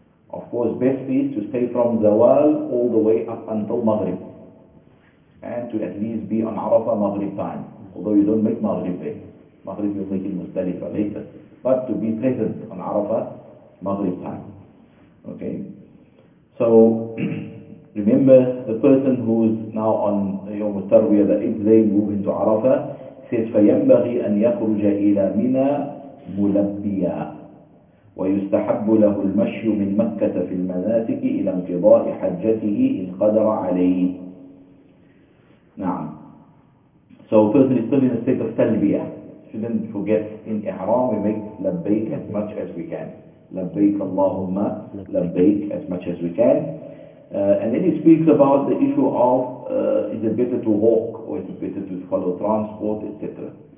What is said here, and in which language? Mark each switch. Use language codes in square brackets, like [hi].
[en] Of course, best is to stay from Zawal all the way up until Maghrib, and to at least be on Arafah Maghrib time, although you don't make Maghrib there. Maghrib you'll make in Muzdalifah later. But to be present on Arafah Maghrib time. Okay? So, remember the person who is now on Yawm al-Tarwiyah, the 8th day, moving to Arafah, says, [ar] فَيَنْبَغِي أَنْ يَخْرُجَ إِلَى مِنَا مُلَبِّيًا وَيُسْتَحَبُّ لَهُ الْمَشْيُ مِنْ مَكَّةَ فِي الْمَنَاسِكِ إِلَى انْقِضَاءِ حَجَّتِهِ إِنْ قَدَرَ عَلَيْهِ. نعم. [en] So person is still in a state of talbiyah. Shouldn't forget, in Ihram we make labbaik as much as we can. Labbaik Allahumma, labbaik as much as we can. And then he speaks about the issue of is it better to walk or is it better to follow transport, etc.